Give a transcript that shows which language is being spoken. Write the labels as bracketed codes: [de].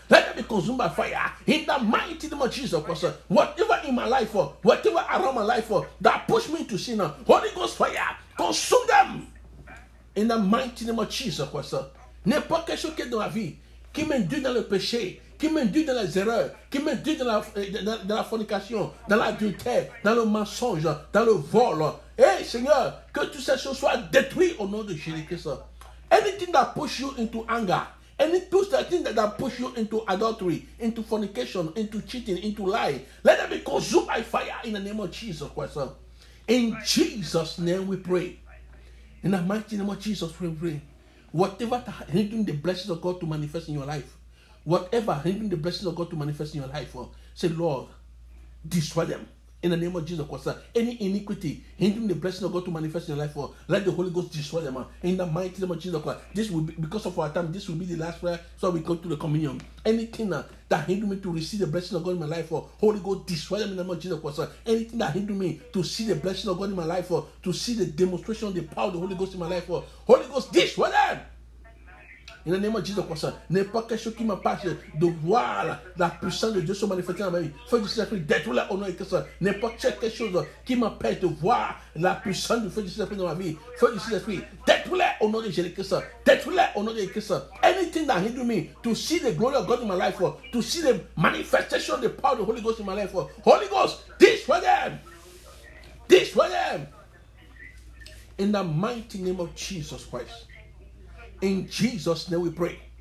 [en] Let them be consumed by fire in the mighty name of Jesus Christ. Whatever in my life, whatever around my life that push me into sin, Holy Ghost fire, consume them in the mighty name of Jesus Christ. [fr] N'est pas quelque chose qui est dans ma vie, qui m'induit dans le péché, qui m'induit dans les erreurs, qui m'induit dans la fornication, dans l'adultère, dans le mensonge, dans le vol. Hey, Seigneur, que toutes ces choses soient détruites au nom de Jésus Christ. [en] Anything that push you into anger, any push that thing that push you into adultery, into fornication, into cheating, into lie, let them be consumed by fire in the name of Jesus Christ. In Jesus' name we pray. In the mighty name of Jesus we pray. Whatever hindering the blessings of God to manifest in your life, whatever hindering the blessings of God to manifest in your life, say, Lord, destroy them in the name of Jesus Christ. Any iniquity hindering the blessing of God to manifest in your life, let the Holy Ghost destroy them in the mighty name of Jesus Christ. This will be, because of our time, this will be the last prayer, so we go to the communion. Anything that hinder me to receive the blessing of God in my life, Holy Ghost, destroy them in the name of Jesus Christ. Anything that hinder me to see the blessing of God in my life, to see the demonstration of the power of the Holy Ghost in my life, Holy Ghost, destroy them in the name of Jesus Christ. [fr] N'est pas quelque chose qui m'empêche de voir la puissance de Dieu se manifester dans ma vie. Feu du Saint-Esprit, détruis le au nom de Christ. N'est pas quelque chose qui m'empêche de voir la puissance du feu du Saint-Esprit dans ma vie. Feu du Saint-Esprit, détruis le au nom de Jésus Christ. Détruis le au nom de Christ. [en] Anything that hinder me to see the glory of God in my life, to see the manifestation of the power of the Holy Ghost in my life, Holy Ghost, destroy them. Destroy them. In the mighty name of Jesus Christ. In Jesus' name we pray.